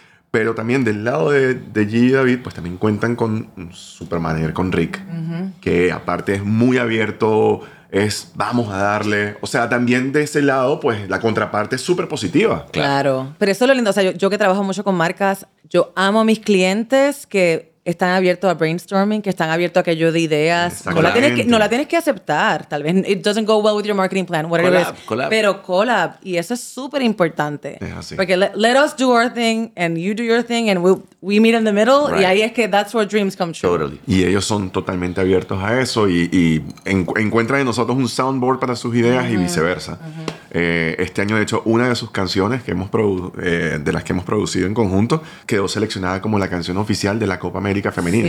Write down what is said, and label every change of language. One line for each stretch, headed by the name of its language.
Spanish: Pero también del lado de G y David, pues también cuentan con un super manager, con Rick, que aparte es muy abierto, es vamos a darle. O sea, también de ese lado, pues la contraparte es súper positiva. Claro. Pero eso es lo lindo. O sea, yo que trabajo mucho con marcas, yo amo a mis clientes que están abiertos a brainstorming, que están abiertos a que yo dé ideas. No la tienes que aceptar. Tal vez
English: it doesn't go well with your marketing plan, whatever collab, it is. Collab.
Spanish: Pero collab. Y eso es súper importante. Es así. Porque
English: let us do our thing and you do your thing and we meet in the middle. Right.
Spanish: Y ahí es que
English: that's where dreams come true. Totally.
Spanish: Y ellos son totalmente abiertos a eso y encuentran en nosotros un soundboard para sus ideas y viceversa. Este año, de hecho, una de sus canciones que hemos producido en conjunto quedó seleccionada como la canción oficial de la Copa América Femenina.